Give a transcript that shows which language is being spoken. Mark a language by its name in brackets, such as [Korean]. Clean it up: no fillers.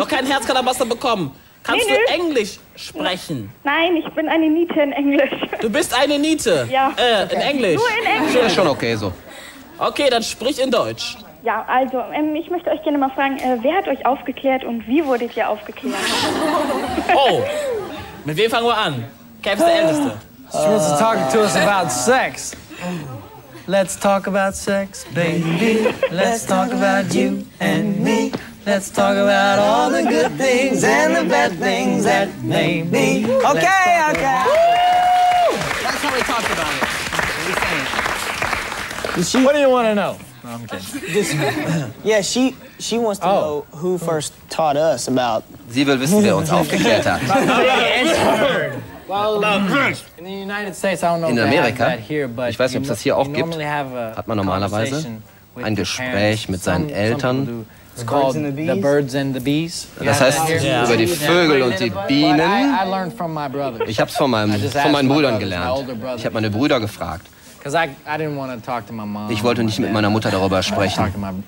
[German] Noch kein Herz kann Herzkalabaster bekommen. Kannst du Englisch sprechen? Nein, ich bin eine Niete in Englisch. Du bist eine Niete? Ja. Okay. In Englisch? Nur in Englisch. Das ist schon okay so. Okay, dann sprich in Deutsch. Ja, also, ich möchte euch gerne mal fragen, wer hat euch aufgeklärt und wie wurdet ihr aufgeklärt? Oh, mit wem fangen wir an? Kev ist der Älteste. [English] She wants to talk to us about sex. Let's talk about sex, baby. Let's talk about you and me. Let's talk about all the good things and the bad things that may be. Okay, okay. That's how we talk about it. What do you want to know? No, I'm kidding. Yeah, she wants to know who first taught us about... [German] Sie will wissen, wer uns aufgeklärt hat. [English] Well, in the United States, I don't know [German] in Amerika, [English] that here, but [German] ich weiß nicht, ob es das hier auch gibt, hat man normalerweise ein Gespräch mit seinen Eltern. [English] It's called the birds and the bees. [German] Das heißt, über die Vögel und die Bienen. Ich habe es von meinen Brüdern gelernt. Ich habe meine Brüder gefragt. Ich wollte nicht mit meiner Mutter darüber sprechen.